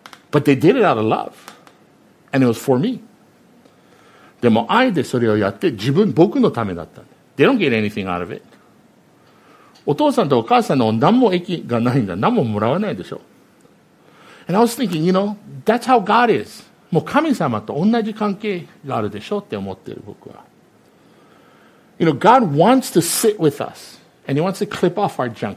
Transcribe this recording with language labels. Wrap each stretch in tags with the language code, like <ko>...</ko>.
<en>But they did it out of love. And it was for me.</en> <ja>でも愛でそれをやって、自分、僕のためだった。</ja> <en>They don't get anything out of it.</en> <ja>お父さんとお母さんの何も益がないんだ。何ももらわないでしょ?</ja> <en>And I was thinking, you know, that's how God is.</en> <ja>もう神様と同じ関係があるでしょって思ってる僕は。</ja> <en>You know, God wants to sit with us. And he wants to clip off our junk.</en>